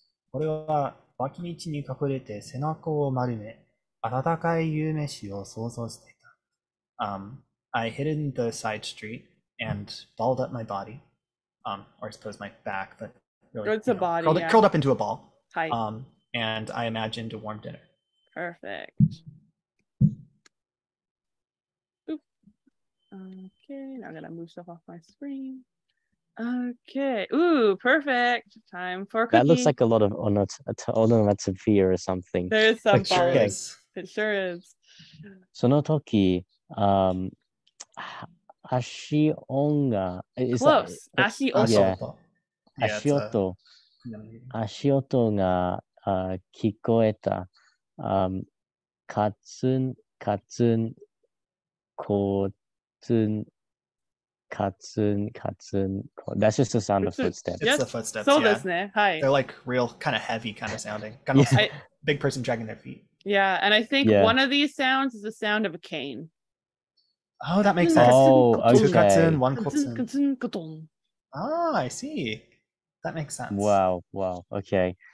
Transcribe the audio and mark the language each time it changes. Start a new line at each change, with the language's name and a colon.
Japanese: これは脇道に隠れて背中を丸め、温かい夕飯を想像していた。
English: I hid in the side street and balled up my body, or I suppose my back, but really, it's a body, curled up into a ball. Hi. And I imagined a warm dinner. Perfect. Okay, now I'm gonna move stuff off my screen. Okay, ooh, perfect. Time for cookie. That looks like a lot of onomatopoeia or something. There is some balls. It sure is.
Japanese: その時, ashi onga.
English: Close.
Japanese: Ashi oto. Ashi oto. 足音が聞こえた。カツン、カツン、コツン、カツン、カツン、コツン。
English: That's just the sound of footsteps. It's the footsteps, yeah.
Japanese: そうですね。はい。
English: They're like real kind of heavy kind of sounding. Kind of like big person dragging their feet. Yeah, and I think yeah. one of these sounds is the sound of a cane. Oh, that makes sense. Oh, okay. Two katsun, one katsun. Katsun, katsun. Ah, I see. That makes sense. Wow, wow. Okay.